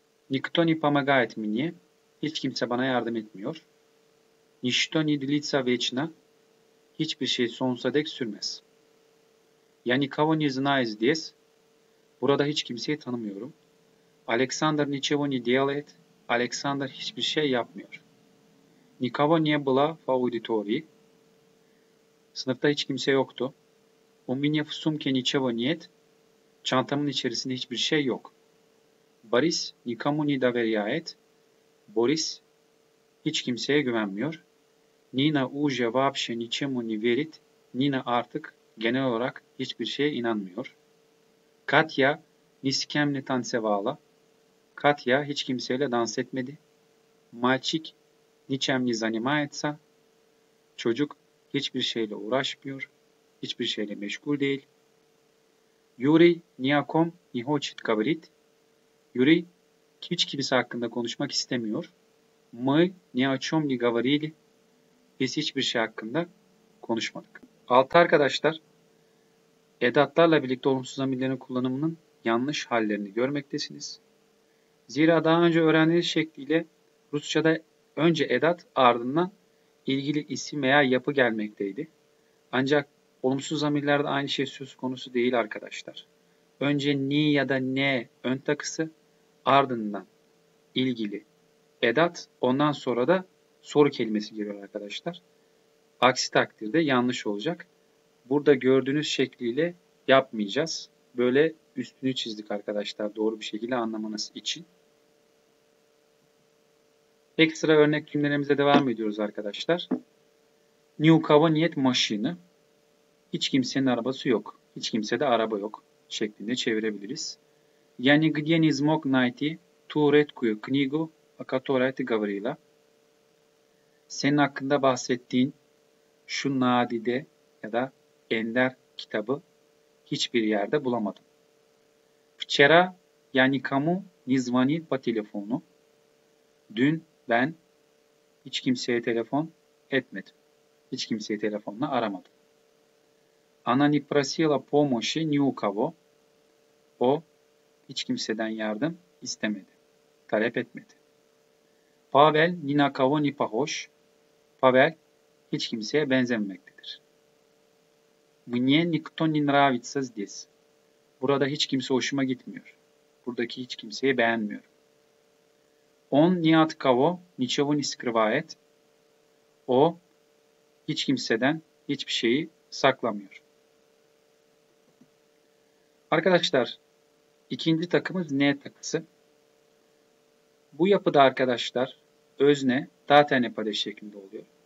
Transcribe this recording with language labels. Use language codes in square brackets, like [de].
[ru] Никто не помогает мне. [tr] Hiç kimse bana yardım etmiyor. [ru] Ничто не длится вечно. [tr] Hiçbir şey sonsuza dek sürmez. [ru] Я никого не знаю здесь. [tr] Burada hiç kimseyi tanımıyorum. [ru] Александр ничего не делает. [tr] Александр hiçbir şey yapmıyor. [ru] Никого не было в аудитории. [tr] Sınıfta hiç kimse yoktu. [ru] У меня в сумке ничего нет. [tr] Çantamın içerisinde hiçbir şey yok. [ru] Boris никому не доверяет. [tr] Boris hiç kimseye güvenmiyor. [ru] Nina уже вообще ничему не верит. [tr] Nina artık genel olarak hiçbir şeye inanmıyor. [ru] Katya ни с кем не танцевала. [tr] Katya hiç kimseyle dans etmedi. [ru] Мальчик ничем не занимается. [tr] Çocuk hiçbir şeyle uğraşmıyor. Hiçbir şeyle meşgul değil. [ru] Yuri ни о ком не хочет говорить. [tr] Yuri hiç kimse hakkında konuşmak istemiyor. [ru] Мы ни о чем не говорили. [tr] Biz hiçbir şey hakkında konuşmadık. Altı arkadaşlar, edatlarla birlikte olumsuz zamirlerin kullanımının yanlış hallerini görmektesiniz. Zira daha önce öğrendiğiniz şekliyle Rusça'da önce edat ardından ilgili isim veya yapı gelmekteydi. Ancak olumsuz zamirlerde aynı şey söz konusu değil arkadaşlar. Önce ni ya da ne ön takısı, ardından ilgili edat, ondan sonra da soru kelimesi geliyor arkadaşlar. Aksi takdirde yanlış olacak. Burada gördüğünüz şekliyle yapmayacağız. Böyle üstünü çizdik arkadaşlar doğru bir şekilde anlamanız için. Ekstra örnek cümlelerimize devam ediyoruz arkadaşlar. [ru] Ни у кого нет машины. [tr] Hiç kimsenin arabası yok. Hiç kimsede araba yok şeklinde çevirebiliriz. [ru] Я нигде не смог найти ту редкую книгу, о которой ты говорила. [tr] Senin hakkında bahsettiğin şu nadide ya da ender kitabı hiçbir yerde bulamadım. [ru] Вчера я никому не звонил по телефону. [tr] Dün ben hiç kimseye telefon etmedim. Hiç kimseyi telefonla aramadım. [ru] Она не просила помощи ни у кого. [tr] O hiç kimseden yardım istemedi. Talep etmedi. [ru] Pavel ни на кого не похож. [tr] Pavel hiç kimseye benzememektedir. [ru] Мне никто не нравится здесь. [tr] Burada hiç kimse hoşuma gitmiyor. Buradaki hiç kimseyi beğenmiyorum. [ru] Он ни от кого ничего не скрывает. [tr] O hiç kimseden hiçbir şeyi saklamıyor. Arkadaşlar, İkinci takımız ne takısı. Bu yapıda arkadaşlar özne zaten ipade şeklinde oluyor.